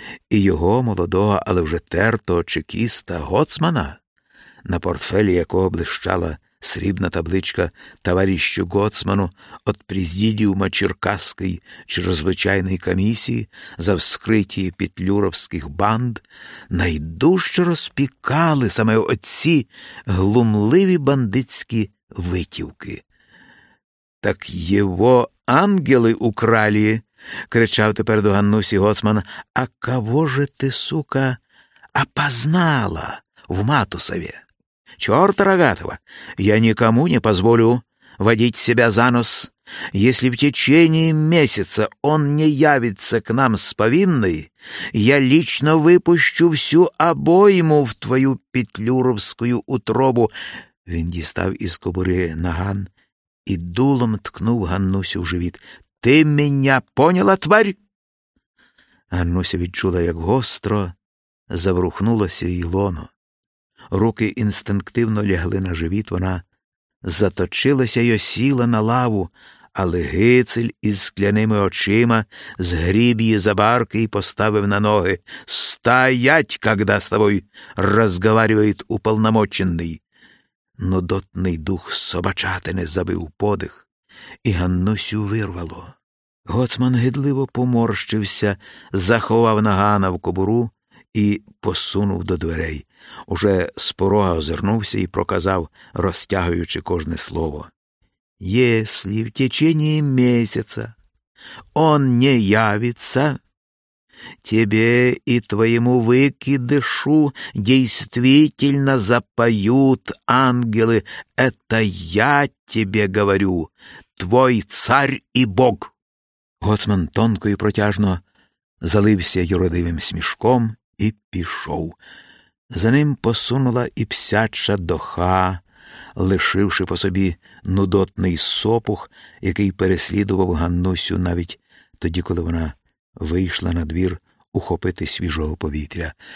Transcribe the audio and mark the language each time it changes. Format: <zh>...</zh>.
<uk>І його молодого, але вже тертого чекіста Гоцмана, на портфелі якого блищала срібна табличка товарищу Гоцману от президіума Черкаської чрезвичайної комісії за вскриті петлюровських банд, найдужче розпікали саме оці глумливі бандитські витівки. «Так його ангели украли!» – кричав тепер до Ганнусі Гоцман. «А кого же ти, сука, опознала в Матусові? чорта рогатого,</uk> <ru>я никому не позволю водить себя за нос. Если в течение месяца он не явится к нам с повинной, я лично выпущу всю обойму в твою петлюровскую утробу».</ru> <uk>Він дістав із кобури наган і дулом ткнув Ганнусю в живіт. «Ти мене поняла, тварь?» Ганнуся відчула, як гостро заврухнулося її лоно. Руки інстинктивно лягли на живіт, вона заточилася й осіла на лаву, але Гицель із скляними очима згріб її за барки і поставив на ноги. «Стоять, когда з тобою розговарює уповномочений!» Но дотний дух собачатини забив подих, і Ганнусю вирвало. Гоцман гидливо поморщився, заховав нагана в кобуру і посунув до дверей. Уже з порога озирнувся і проказав, розтягуючи кожне слово:</uk> <ru>«Если в течение месяца он не явится, тебе и твоему выкидышу действительно запоют ангелы. Это я тебе говорю, твой царь и бог».</ru> <uk>Гоцман тонко і протяжно залився юродивим смішком і пішов. За ним посунула і псяча доха, лишивши по собі нудотний сопух, який переслідував Ганнусю навіть тоді, коли вона вийшла на двір ухопити свіжого повітря.</uk>